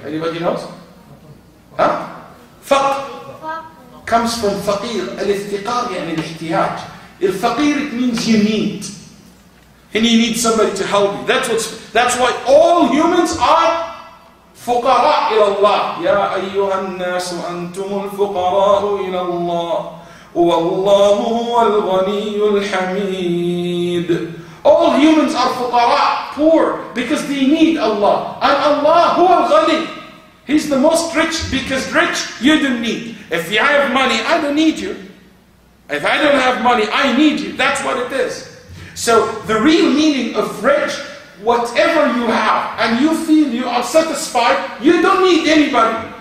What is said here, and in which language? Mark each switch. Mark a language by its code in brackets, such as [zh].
[en] Anybody knows? Huh? Faqr. Comes from faqir. Al-iftiqar, yani al-ihtiyaj. Al-faqir, it means you need. And you need somebody to help you. That's why all humans are [ar] فقراء إلى الله. يا أيها الناس أنتم الفقراء إلى الله والله هو الغني الحميد. [en] All humans are فقراء, poor, because they need Allah. And Allah [ar] هو الغني. [en] He's the most rich, because rich you don't need. If I have money, I don't need you. If I don't have money, I need you. That's what it is. So the real meaning of rich, whatever you have and you feel you are satisfied, you don't need anybody.